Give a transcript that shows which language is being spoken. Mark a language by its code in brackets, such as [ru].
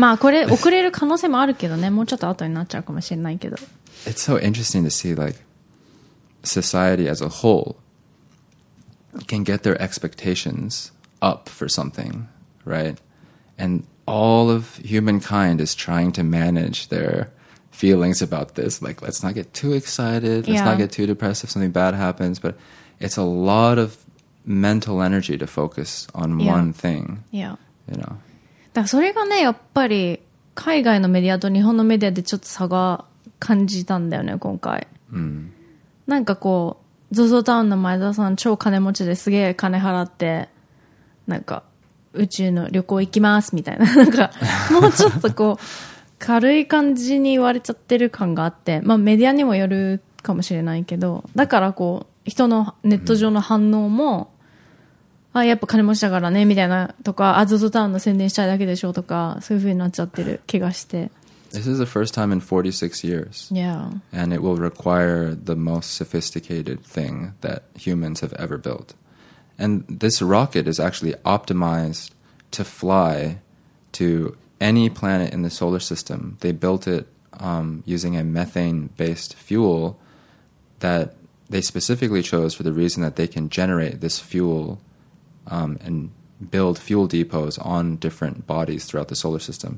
[ja] まあこれ遅れる可能性もあるけどね。もうちょっと後になっちゃうかもしれないけど。 [en] It's so interesting to see like society as a whole can get their expectations up for something, right? And all of humankind is trying to manage their feelings about this. Like, let's not get too excited. Let's not get too depressed if something bad happens. But it's a lot of mental energy to focus on one thing. Yeah. You know. [ja] だからそれがね、やっぱり海外のメディアと日本のメディアでちょっと差が感じたんだよね、今回。なんかこう、ZOZO タウンの前田さん超金持ちですげえ金払って、なんか宇宙の旅行行きますみたいな、なんかもうちょっとこう、軽い感じに言われちゃってる感があって、まあメディアにもよるかもしれないけど、だからこう、人のネット上の反応も、あ、やっぱ金持ちだからねみたいなとか、あ、ZOZO タウンの宣伝したいだけでしょうとか、そういう風になっちゃってる気がして。 [en] This is the first time in 46 years. Yeah. And it will require the most sophisticated thing that humans have ever built. And this rocket is actually optimized to fly to any planet in the solar system. They built it using a methane-based fuel that they specifically chose for the reason that they can generate this fuel and build fuel depots on different bodies throughout the solar system.